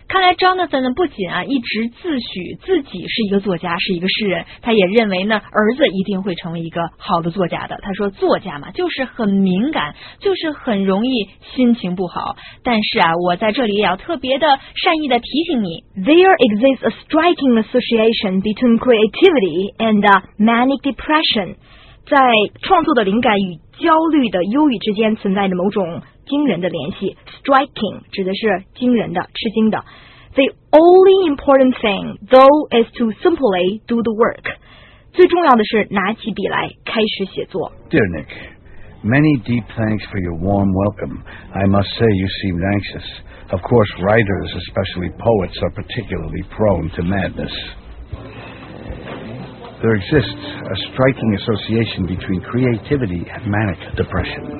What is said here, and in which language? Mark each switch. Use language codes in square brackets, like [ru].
[zh] 看来 Jonathan 不仅啊一直自诩自己是一个作家，是一个诗人，他也认为呢儿子一定会成为一个好的作家的。他说作家嘛就是很敏感，就是很容易心情不好。但是啊我在这里也要特别的善意的提醒你， [en] There exists a striking association between creativity and manic depression. [zh] 在创作的灵感与焦虑的忧郁之间存在着某种惊人的联系。 Striking 指的是惊人的、吃惊的。 [en] The only important thing, though, is to simply do the work. [zh] 最重要的是拿起笔来开始写作。 [en] Dear Nick, many deep thanks for your warm welcome. I must say you seemed anxious. Of course, writers, especially poets, are particularly prone to madness. There exists a striking association between creativity and manic depression.